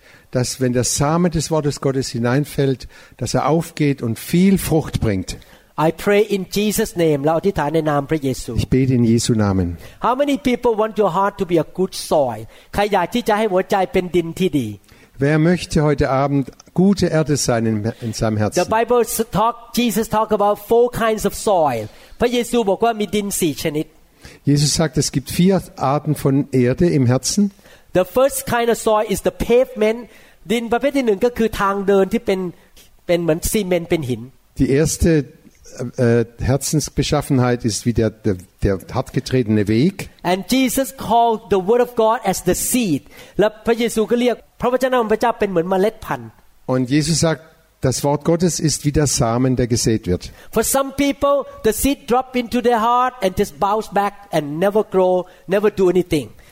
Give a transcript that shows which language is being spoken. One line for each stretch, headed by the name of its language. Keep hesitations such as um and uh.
German: dass wenn der Same des Wortes Gottes hineinfällt, dass er aufgeht und viel Frucht bringt.
English: I pray in Jesus name.
German: Ich bete in Jesu Namen. Ich bete in Jesu Namen.
English: How many people want your heart to be a good soil?
Thai: ใครอยากที่จะให้หัวใจเป็นดินที่ดี
German: Wer möchte heute Abend gute Erde sein in, in seinem Herzen?
English: The Bible talk, Jesus talk about four kinds of soil.
Thai: พระเยซูบอกว่ามีดินสี่ชนิด
German: Jesus sagt, es gibt vier Arten von Erde im Herzen.
English: The first kind of soil is the pavement.
Thai: ดินประเภทที่หนึ่งก็คือทางเดินที่เป็นเป็นเหมือนซีเมนต์เป็นหิน
German: Die erste äh, uh, Herzensbeschaffenheit ist wie der, der, der hartgetretene Weg.
English: And Jesus called the Word of God as the seed.
Thai: และพระเยซูก็เรียก พระวจนะของพระเจ้าเป็นเหมือนเมล็ดพันธุ์
German: Und Jesus sagt, das Wort Gottes ist wie der Samen, der gesät wird.
English: For some people, the seed drop into their heart and just bounce back and never grow, never do anything.